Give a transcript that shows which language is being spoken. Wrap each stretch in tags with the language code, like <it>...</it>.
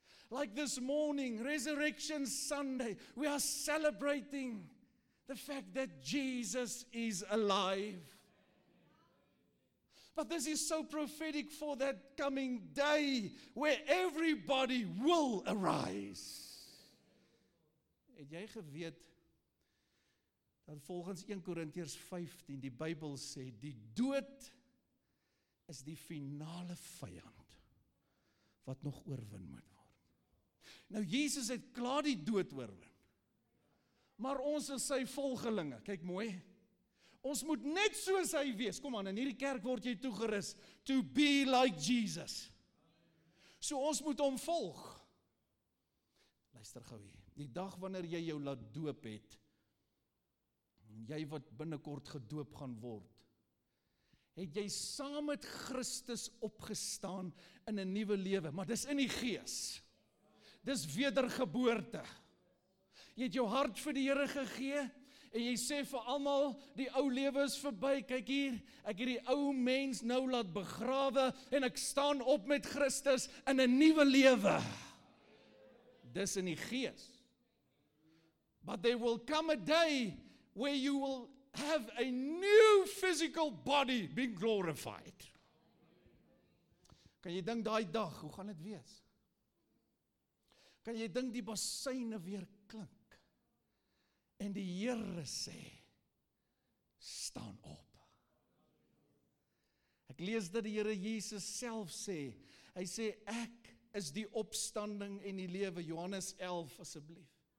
<en>Like this morning, Resurrection Sunday, we are celebrating the fact that Jesus is alive. But this is so prophetic for that coming day where everybody will arise.</en> <af>Het jy geweet dat volgens 1 Korintiërs 15 die Bybel sê die dood is die finale vyand wat nog oorwin moet word. Nou Jesus het klaar die dood oorwin. Maar ons is sy volgelinge. Kyk mooi. Ons moet net soos hy wees. Kom aan, in hierdie kerk word jy toegerus</af> <en>to be like Jesus.</en> <af>So ons moet hom volg. Luister gou hier. Die dag wanneer jy jou laat doop het, jy wat binnenkort gedoop gaan word, het jy saam met Christus opgestaan in 'n nuwe lewe, maar dis in die gees. Dis wedergeboorte. Jy het jou hart vir die Here gegee, en jy sê vir almal, die ou lewe is verby, kyk hier, ek het die ou mens nou laat begrawe, en ek staan op met Christus in 'n nuwe lewe. Dis in die gees.</af> <en>But there will come a day where you will have a new physical body being glorified.</en> <af>Kan jy dink daai dag, hoe gaan dit wees? Kan jy dink die basyne weer klink? En die Here sê, staan op. Ek lees dat die Here Jesus self sê, hy sê, ek is die opstanding en die lewe, Johannes 11 asseblief.</af>